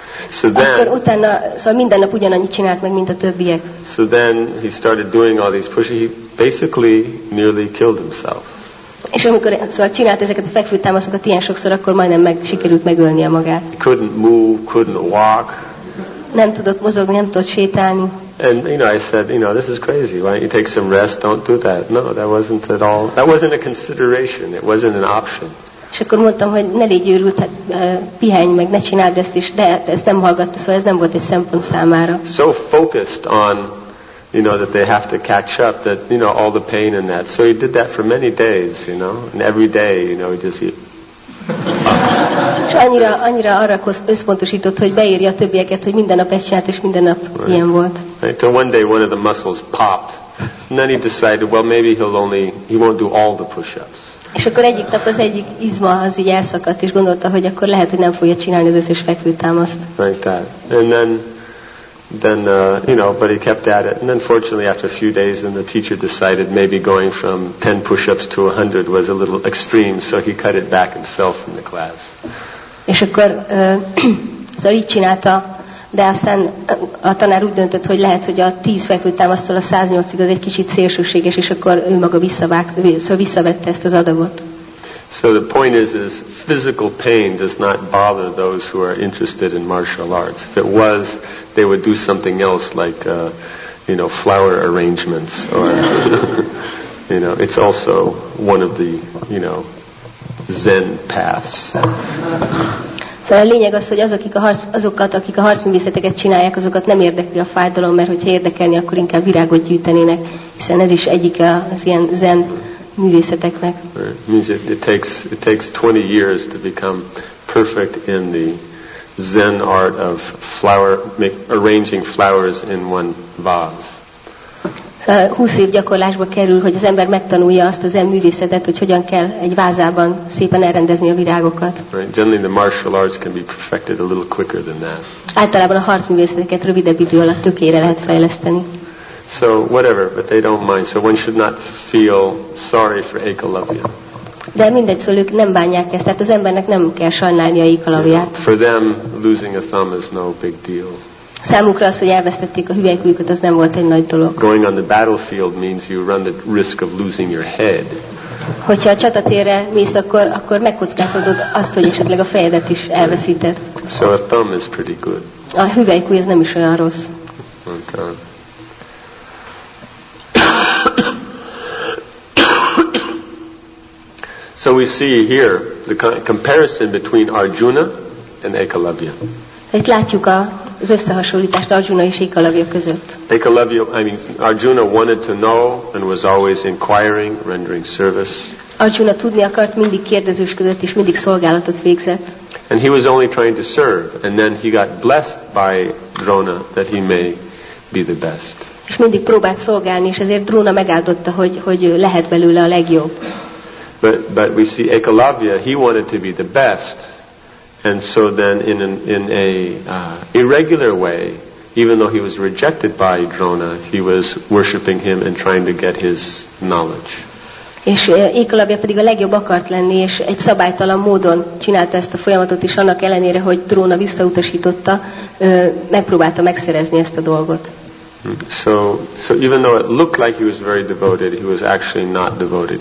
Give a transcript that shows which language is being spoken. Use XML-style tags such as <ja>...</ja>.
<en>So then,</en> <hu>akkor utána, szóval minden nap ugyanannyit csinált meg, mint a többiek.</hu> <en>So then he started doing all these pushes. He basically nearly killed himself.</en> <hu>És amikor szóval csinált ezeket a fekvőtámaszokat ilyen sokszor, akkor majdnem sikerült megölnie magát.</hu> <en>He couldn't move, couldn't walk.</en> <hu>Nem tudott mozogni, nem tudott sétálni.</hu> <en>And you know, I said, you know, this is crazy. Why don't you take some rest? Don't do that. No, that wasn't at all. That wasn't a consideration. It wasn't an option.</en> <hu>És akkor mondtam, hogy ne légy őrült, hát pihenj meg, ne csináld ezt is. De ezt nem hallgatta, szóval ez nem volt egy szempont számára.</hu> <en>So focused on, you know, that they have to catch up, that, you know, all the pain and that. So he did that for many days, you know. And every day, you know, he just...</en> <hu>És annyira arra összpontosított, hogy beírja a többieket, hogy minden nap ezt csinált, és minden nap</hu> <en>right.</en> <hu>ilyen volt.</hu> <en>Until one day one of the muscles popped, and then he decided, well, maybe he won't do all the push-ups.</en> <hu>És akkor egyik nap az egyik izma az így elszakadt, és gondolta, hogy akkor lehet, hogy nem fogja csinálni az összes fekvőtámaszt.</hu> <en>Like that. And then, then you know, but he kept at it. And then fortunately, after a few days, then the teacher decided maybe going from 10 push-ups to 100 was a little extreme, so he cut it back himself from the class.</en> <hu>És akkor szóval így csinálta, de aztán a tanár úgy döntött, hogy lehet, hogy a 10 fekvőtámasztól a 108-ig az egy kicsit szélsőséges, és akkor ő maga visszavette ezt az adagot.</hu> <en>So the point is physical pain does not bother those who are interested in martial arts. If it was, they would do something else like, you know, flower arrangements or, you know, it's also one of the, you know, Zen paths.</en> <hu>Szóval a lényeg az, hogy azok, akik a harcművészeteket csinálják, azokat nem érdekli a fájdalom, mert hogyha érdekelni, akkor inkább virágot gyűjtenének, hiszen ez is egyik az ilyen Zen művészeteknek.</hu> <en>Right. Means it takes 20 years to become perfect in the Zen art of arranging flowers in one vase.</en> <hu>Szóval 20 év gyakorlásba kerül, hogy az ember megtanulja azt a Zen művészetet, hogy hogyan kell egy vázában szépen elrendezni a virágokat.</hu> <en>Right. Generally the martial arts can be perfected a little quicker than that.</en> <hu>Általában a harcművészeteket rövidebb idő alatt tökére lehet fejleszteni.</hu> <en>So whatever, but they don't mind. So one should not feel sorry for Ekalavya.</en> <hu>De mindegy, szóval ők nem bánják ezt, tehát az embernek nem kell sajnálni a Ekalavyát.</hu> <en>Yeah. For them, losing a thumb is no big deal.</en> <hu>Számukra az, hogy elvesztették a hüvelykujjukat, az nem volt egy nagy dolog.</hu> <en>Going on the battlefield means you run the risk of losing your head.</en> <hu>Hogyha a csatatérre mész, akkor megkockázhatod azt, hogy esetleg a fejedet is elveszíted.</hu> <en>So a thumb is pretty good.</en> <hu>A hüvelykujj az nem is olyan rossz.</hu> <en>Okay. So we see here the comparison between Arjuna and Ekalavya.</en> <hu>Itt látjuk az összehasonlítást Arjuna és Ekalavya között.</hu> <en>Arjuna wanted to know and was always inquiring, rendering service.</en> <hu>Arjuna tudni akart, mindig kérdezősködött és mindig szolgálatot végzett.</hu> <en>And he was only trying to serve, and then he got blessed by Drona that he may be the best.</en> <hu>És mindig próbált szolgálni, és ezért Drona megáldotta, hogy lehet belőle a legjobb.</hu> <en>But we see Ekalavya, he wanted to be the best, and so then in a irregular way, even though he was rejected by Drona, he was worshiping him and trying to get his knowledge.</en> <hu>És Ekalavya pedig a legjobb akart lenni, és egy szabálytalan módon csinálta ezt a folyamatot, és annak ellenére, hogy Drona visszautasította, megpróbálta megszerezni ezt a dolgot.</hu> <en>So even though it looked like he was very devoted, he was actually not devoted.</en>